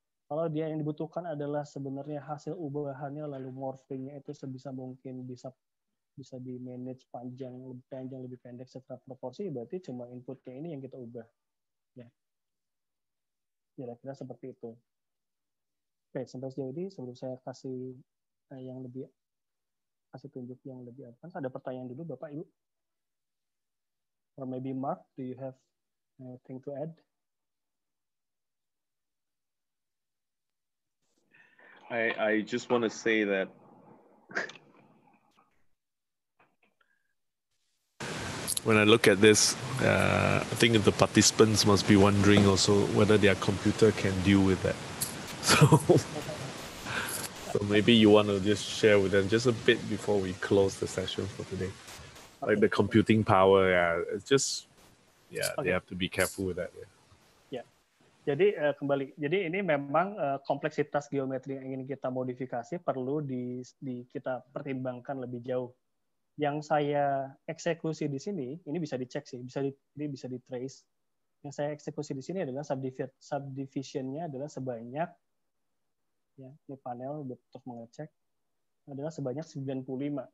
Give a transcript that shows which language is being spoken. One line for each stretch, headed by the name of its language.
Indonesian: Kalau dia yang dibutuhkan adalah sebenarnya hasil ubahannya lalu morphingnya itu sebisa mungkin bisa di manage panjang lebih pendek secara proporsi, berarti cuma inputnya ini yang kita ubah. Ya. Kira-kira seperti itu. Oke, sampai sejauh ini sebelum saya kasih tunjuk yang lebih advance, ada pertanyaan dulu Bapak Ibu.
English: Or maybe Mark, do you have anything to add? I just want to say that when I look at this, I think the participants must be wondering also whether their computer can deal with that. So maybe you want to just share with them just a bit before we close the session for today. Okay. Like the computing power, they have to be careful with that. Yeah.
Indonesian: Jadi kembali. Jadi ini memang kompleksitas geometri yang ingin kita modifikasi perlu di kita pertimbangkan lebih jauh. Yang saya eksekusi di sini, ini bisa dicek sih, bisa di trace. Yang saya eksekusi di sini adalah subdivision-nya adalah sebanyak, ya, ini panel untuk mengecek, adalah sebanyak 95.